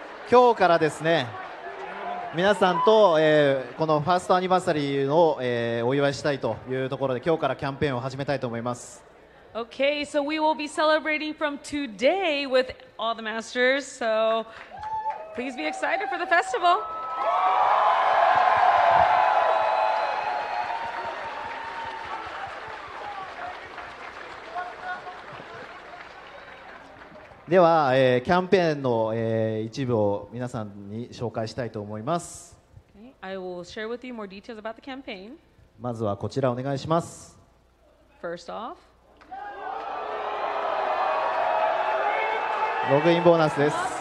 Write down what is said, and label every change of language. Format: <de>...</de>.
<ja>今日からですね、皆さんと、このファーストアニバーサリーを、お祝いしたいというところで今日からキャンペーンを始めたいと思います。</ja> <en>Okay, so we will be celebrating from today with all the masters. So please be excited for the festival.</en> <ja>では、キャンペーンの、一部を皆さんに紹介したいと思います。</ja> <en>Okay, I will share with you more details about the campaign.</en> <ja>まずはこちらお願いします。</ja> <en>First off.</en> <ja>ログインボーナスです。</ja>